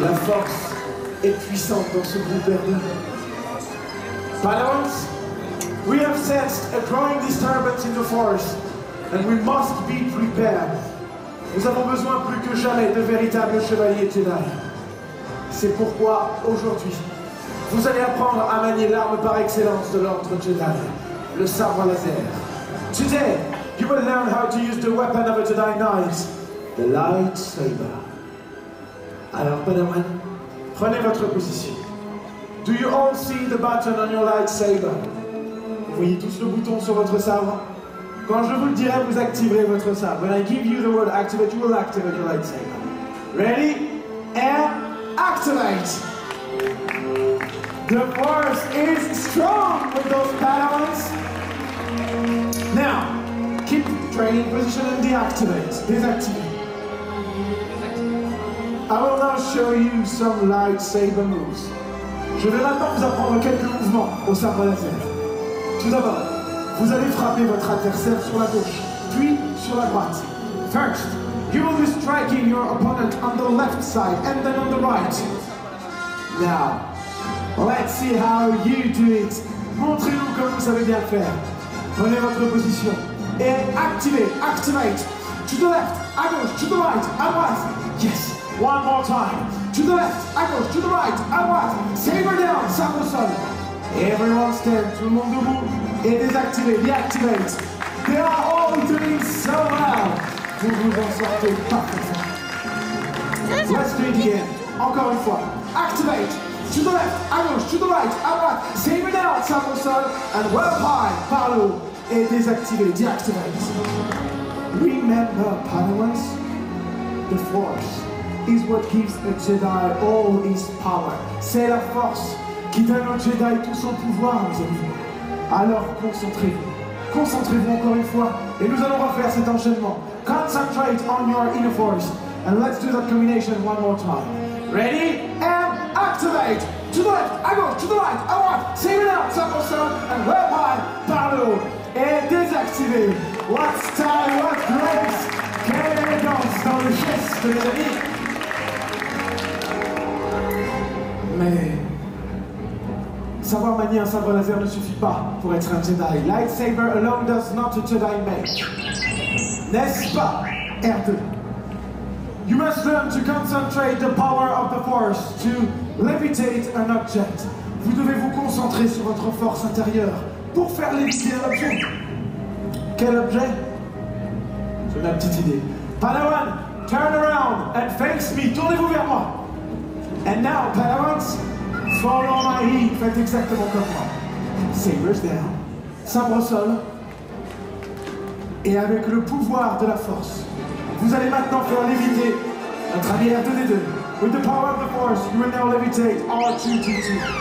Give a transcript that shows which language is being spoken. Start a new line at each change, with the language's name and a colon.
French: La force est puissante dans ce groupe berbère.
English: Palawans, we have sensed a growing disturbance in the forest, and we must be prepared.
French: Nous avons besoin plus que jamais de véritables chevaliers Jedi. C'est pourquoi, aujourd'hui, vous allez apprendre à manier l'arme par excellence de l'ordre Jedi, le sabre laser.
English: Today, you will learn how to use the weapon of a Jedi Knight, the lightsaber.
French: Alors, Padawan, prenez votre position.
English: Do you all see the button on your lightsaber?
French: Vous voyez tous le bouton sur votre sabre? Quand je vous le dirai, vous activerez votre sabre.
English: When I give you the word activate, you will activate your lightsaber. Ready? And activate! The force is strong with those Padawans. Now, keep training position and deactivate. Deactivate. I will now show you some lightsaber moves.
French: Je vais maintenant vous apprendre quelques mouvements au sabre laser. Tout d'abord, vous allez frapper votre adversaire sur la gauche, puis sur la droite.
English: First, you will be striking your opponent on the left side and then on the right. Now, let's see how you do it.
French: Montrez-nous comment vous savez bien faire. Prenez votre position et activez,
English: activate. To the left,
French: à gauche,
English: to the right,
French: à droite.
English: Yes, one more time. To the left,
French: à gauche,
English: to the right,
French: à droite.
English: Saber down,
French: sabre au sol.
English: Everyone stand,
French: tout le monde debout. Et désactivez,
English: deactivate. They are all doing so well.
French: Vous vous en sortez parfaitement.
English: Let's do it again.
French: Encore une fois.
English: Activate. To the left,
French: à gauche,
English: to the right,
French: à droite.
English: Saber down,
French: sabre au sol.
English: And well high,
French: par le haut. Et désactivez,
English: deactivate. Remember, Padawans, the force is what gives a Jedi all his power.
French: C'est la force qui donne au Jedi tout son pouvoir, mes amis. Alors concentrez-vous. Concentrez-vous encore une fois. Et nous allons refaire cet enchaînement.
English: Concentrate on your inner force. And let's do that combination one more time. Ready? And activate! To the left,
French: à gauche,
English: to the right,
French: à droite.
English: Save it out,
French: sabre au sol.
English: And well high,
French: par le haut. Et désactivez.
English: What style, what grace.
French: Quelle élégance dans le geste, mes amis. Mais savoir manier un sabre laser ne suffit pas pour être un Jedi.
English: Lightsaber alone does not a Jedi make.
French: N'est-ce pas, R2?
English: You must learn to concentrate the power of the force to levitate an object.
French: Vous devez vous concentrer sur votre force intérieure pour faire léviter un objet. Quel objet? J'ai une petite idée.
English: Padawan, turn around and face me.
French: Tournez-vous vers moi.
English: And now, Padawans, follow my lead.
French: Faites exactement comme moi.
English: Sabers down.
French: Sabre au sol. Et avec le pouvoir de la force, vous allez maintenant faire léviter notre ami R2D2.
English: With the power of the force, you will now levitate R2D2.